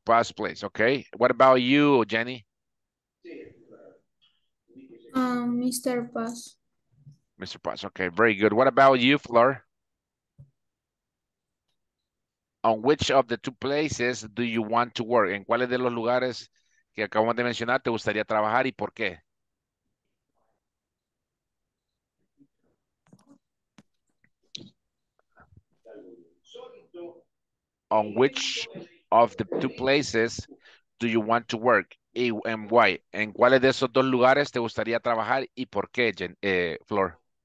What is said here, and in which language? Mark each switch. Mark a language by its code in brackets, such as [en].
[en] Paz place, okay. What about you, Jenny? Mr. Paz. Mr. Paz, okay, very good. What about you, Flor? On which of the two places do you want to work? [es] ¿En cuáles de los lugares que acabamos de mencionar te gustaría trabajar y por qué? [en] On which of the two places do you want to work and why? [es] ¿En cuáles de esos dos lugares te gustaría trabajar y por qué, Flor?